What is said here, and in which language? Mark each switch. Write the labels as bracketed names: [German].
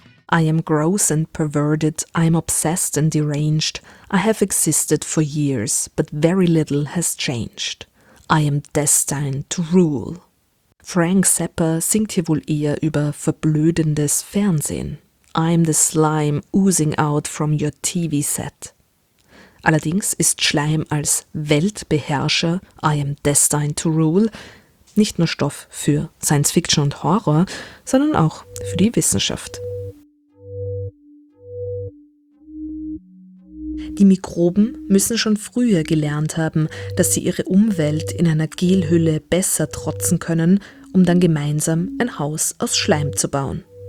[English] I am gross and perverted, I'm obsessed and deranged, I have existed for years, but very little has changed. I am destined to rule. [German] Frank Zappa singt hier wohl eher über verblödendes Fernsehen. [English] I'm the slime oozing out from your TV set. [German] Allerdings ist Schleim als Weltbeherrscher, [English] I am destined to rule, [German] nicht nur Stoff für Science Fiction und Horror, sondern auch für die Wissenschaft. Die Mikroben müssen schon früher gelernt haben, dass sie ihre Umwelt in einer Gelhülle besser trotzen können, um dann gemeinsam ein Haus aus Schleim zu bauen.